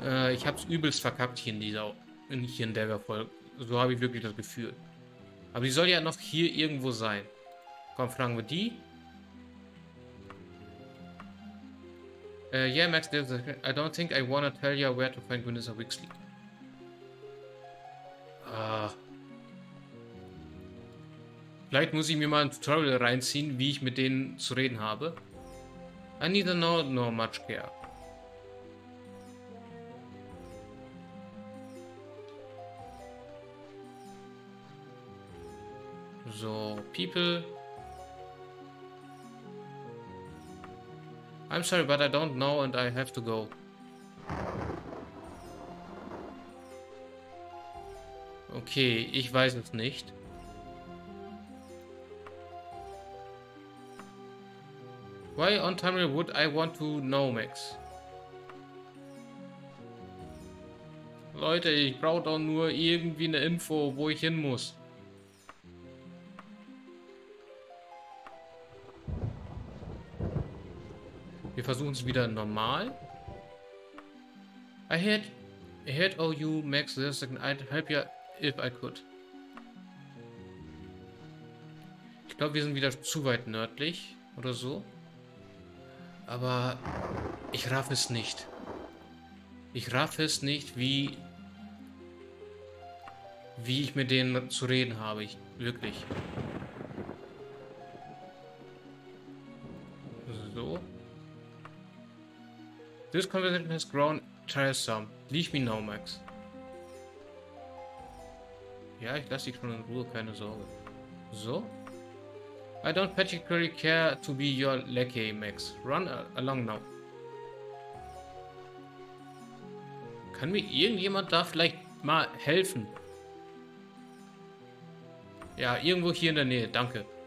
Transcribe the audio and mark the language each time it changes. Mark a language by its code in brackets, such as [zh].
[de] Ich habe es übelst verkackt hier in der Folge. So habe ich wirklich das Gefühl. Aber die soll ja noch hier irgendwo sein. Komm, fragen wir die. [en] Yeah, Max, I don't think I wanna tell you where to find Vanessa Wixley. [de] Vielleicht muss ich mir mal ein Tutorial reinziehen, wie ich mit denen zu reden habe. [en] I neither know nor much care. So, people. I'm sorry, but I don't know and I have to go. [de] Okay, ich weiß es nicht. [en] Why on Tamil would I want to know, Max? [de] Leute, ich brauche doch nur irgendwie eine Info, wo ich hin muss. Wir versuchen es wieder normal. [en] I heard all you, Max. I'd help you if I could. [de] Ich glaube, wir sind wieder zu weit nördlich oder so. Aber ich raff es nicht. Ich raff es nicht, wie ich mit denen zu reden habe. Ich wirklich. So. [en] This conversation has grown tiresome. Leave me now, Max. [de] Ja, ich lasse dich schon in Ruhe, keine Sorge. So? [en] I don't particularly care to be your lackey, Max. Run along now. [de] Kann mir irgendjemand da vielleicht mal helfen? Ja, irgendwo hier in der Nähe, danke.